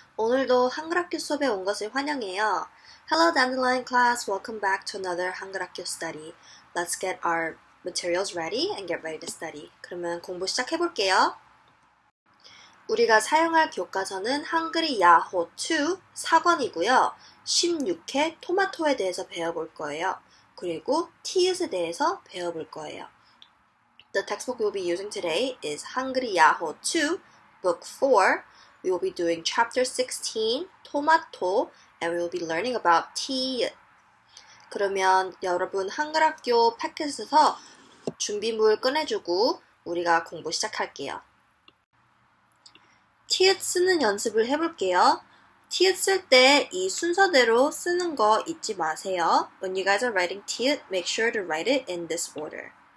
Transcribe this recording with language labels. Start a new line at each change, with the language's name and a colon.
Korean: 오늘도 한글학교 수업에 온 것을 환영해요.
English: Hello, Dandelion class. Welcome back to another 한글학교 study. Let's get our materials ready and get ready to study.
Korean: 그러면 공부 시작해 볼게요. 우리가 사용할 교과서는 한글이 야호 2 사관이고요. 16회 토마토에 대해서 배워볼 거예요. 그리고 티읕에 대해서 배워볼 거예요.
English: The textbook we'll be using today is 한글이 야호 2. Book 4, we will be doing chapter 16, Tomato, and we will be learning about tea.
Korean: 그러면 여러분 한글학교 패킷에서 준비물 꺼내주고 우리가 공부 시작할게요. 티읕 쓰는 연습을 해볼게요. 티읕 쓸때이 순서대로 쓰는 거 잊지 마세요.
English: When you guys are writing 티읕, make sure to write it in this order.